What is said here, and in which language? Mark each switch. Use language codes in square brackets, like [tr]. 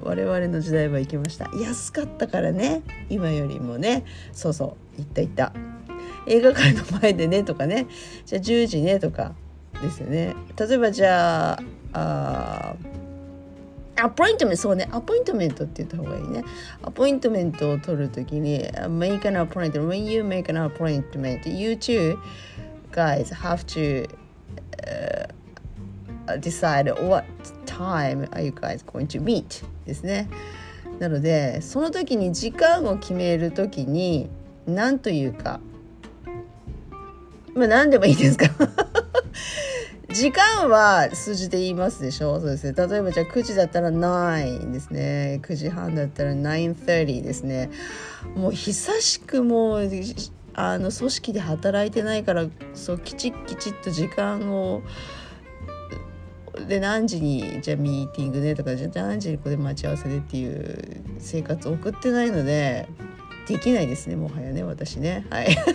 [ja] 我々の時代は行きました。安かったからね、今よりもね。そうそう、行った行った、映画館の前でねとかね。じゃあ10時ねとかですよね。例えばじゃあアポイントメント、そうね、アポイントメントって言った方がいいね。アポイントメントを取るときに [en] make an appointment. When you make an appointment, you too guys have to decide what time are you guys going to meet ですね。 [ja] なのでその時に時間を決める時に何というか、まあ何でもいいですか時間は数字で言いますでしょう。そうですね。例えばじゃあ9時だったら9ですね。 9時半だったら9:30ですね。もう久しくもう組織で働いてないから、そうきちっきちっと時間をで何時にじゃあミーティングねとか、じゃあ何時にここで待ち合わせでっていう生活を送ってないのでできないですね、もはやね、私ね、はい